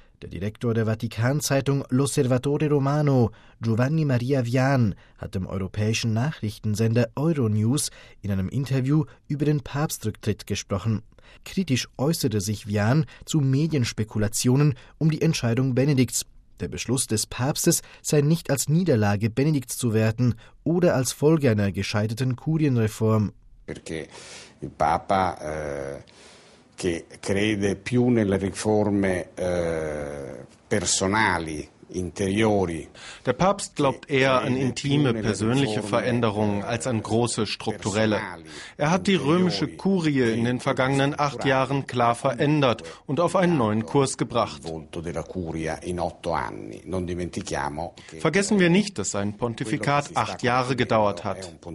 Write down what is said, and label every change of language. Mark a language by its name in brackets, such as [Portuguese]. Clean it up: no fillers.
[German] Der Direktor der Vatikanzeitung L'Osservatore Romano, Giovanni Maria Vian, hat dem europäischen Nachrichtensender Euronews in einem Interview über den Papstrücktritt gesprochen. Kritisch äußerte sich Vian zu Medienspekulationen um die Entscheidung Benedikts. Der Beschluss des Papstes sei nicht als Niederlage Benedikts zu werten oder als Folge einer gescheiterten Kurienreform. [Italian] Perché il Papa che crede più nelle riforme personali. [German] Der Papst glaubt eher an intime, persönliche Veränderungen als an große, strukturelle. Er hat die römische Kurie in den vergangenen 8 Jahren klar verändert und auf einen neuen Kurs gebracht. Vergessen wir nicht, dass sein Pontifikat 8 Jahre gedauert hat.